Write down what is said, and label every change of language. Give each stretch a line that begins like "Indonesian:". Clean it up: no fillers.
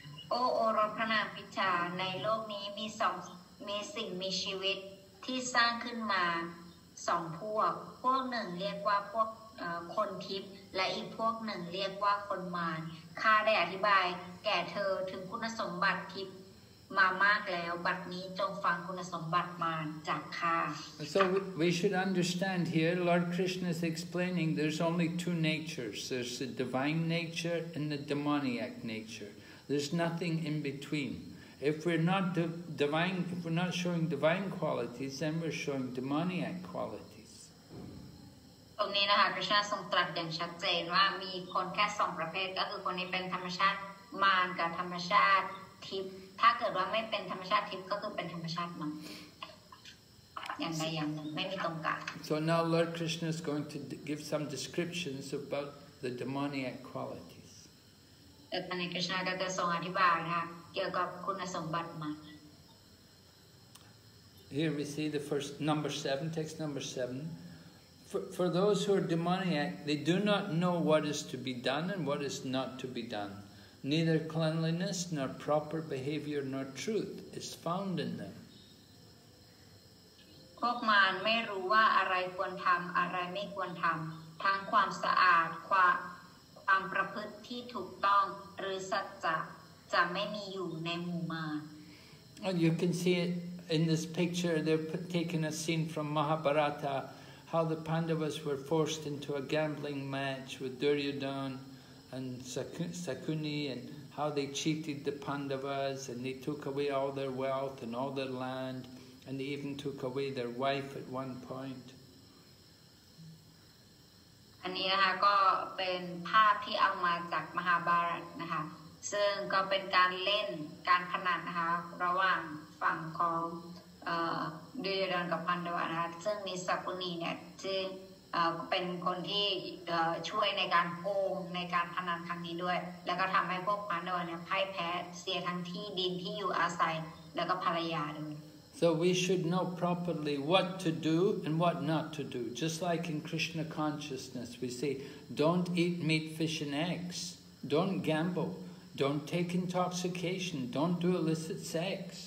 Thai: O Oropana Pita, ในโลกนี้มีสิ่งมีชีวิตที่สร้างขึ้นมาสองพวกพวกหนึ่งเรียกว่าพวกคนทิพย์และอีกพวกหนึ่งเรียกว่าคนมารข้าได้อธิบายแก่เธอถึงคุณสมบัติทิพย์มามากแล้วบัดนี้จงฟังคุณสมบัติมารจากข้า
English: So we should understand here Lord Krishna is explaining there's only two natures there's the divine nature and the demoniac nature there's nothing in between if we're not divine if we're not showing divine qualities then we're showing demoniac qualities
Thai: ตรงนี้นะคะกฤษณะทรงตรัสอย่างชัดเจนว่ามีคนแค่2ประเภทก็คือคนนี้เป็นธรรมชาติมารกับธรรมชาติทิพย์ถ้าเกิดว่าไม่เป็นธรรมชาติทิพย์ก็คือเป็นธรรมชาติมังอย่างใดอย่างหนึ่งไม่มีตรงกลาง
English: So now Lord Krishna is going to give some descriptions about the demoniac qualities.
Thai: ท่านนี้กฤษณะก็จะทรงอธิบายนะเกี่ยวกับคุณสมบัติมัง
English: Here we see the first number 7 text number 7For those who are demoniac they do not know what is to be done and what is not to be done. Neither cleanliness, nor proper behavior, nor truth is found in them.
Thai: พวกมารไม่รู้ว่าอะไรควรทำอะไรไม่ควรทำทั้งความสะอาดความประพฤติที่ถูกต้องหรือสัจจะจะไม่มีอยู่ในหมู่มาร
English: Well, you can see it in this picture. They've taken a scene from Mahabharata, how the Pandavas were forced into a gambling match with Duryodhan. And Sakuni and how they cheated the Pandavas and they took away all their wealth and all their land and they even took away their wife at one point. And this is a picture that is taken from Mahabharata. This is a game between Duryodhana and Pandava. This is Sakuni.
Thai: เป็นคนที่ช่วยในการโกงในการพนันครั้งนี้ด้วยแล้วก็ทำให้พวกพันธุ์เนี่ยพ่ายแพ้เสียทั้งที่ดินที่อยู่อาศัยแล้วก็ภรรยาด้วย
English: So we should know properly what to do and what not to do just like in Krishna consciousness we say don't eat meat fish and eggs don't gamble don't take intoxication don't do illicit sex